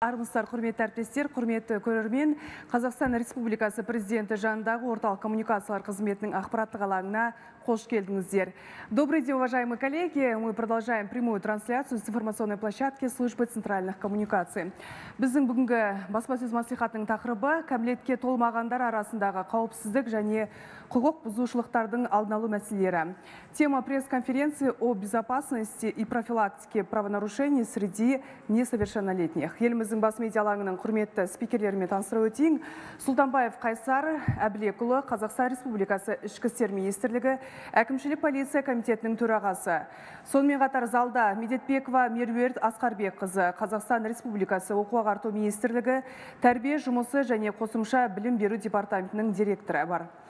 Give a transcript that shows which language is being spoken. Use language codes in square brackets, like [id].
[kk] Армысыздар, құрметті әріптестер, құрметті көрермен, Қазақстан Республикасы президенті жанындағы орталық коммуникациялар қызметінің ақпараттық алаңына қош келдіңіздер. [ru] Добрый день, уважаемые коллеги. Мы продолжаем прямую трансляцию с информационной площадки службы центральных коммуникаций. [kk] Біздің бүгінгі баспасөз мәслихатының тақырыбы кәмелетке толмағандар арасындағы қауіпсіздік және құқық бұзушылықтардың алдын алу мәселелері. [ru] Тема пресс-конференции о безопасности и профилактике правонарушений среди несовершеннолетних. [kk] Еліміздің бас медиалаңының құрметті спикерлерімен таныстыру өтейін. Сұлтанбаев Қайсар Әбілекұлы, Қазақстан Республикасы Ішкі істер министрлігі әкімшілік полиция комитетінің төрағасы. Сонымен қатар залда Медетбекова Меруерт Асқарбекқызы, Қазақстан Республикасы Оқу-ағарту министрлігі тәрбие жұмысы және қосымша білім беру департаментінің директоры бар.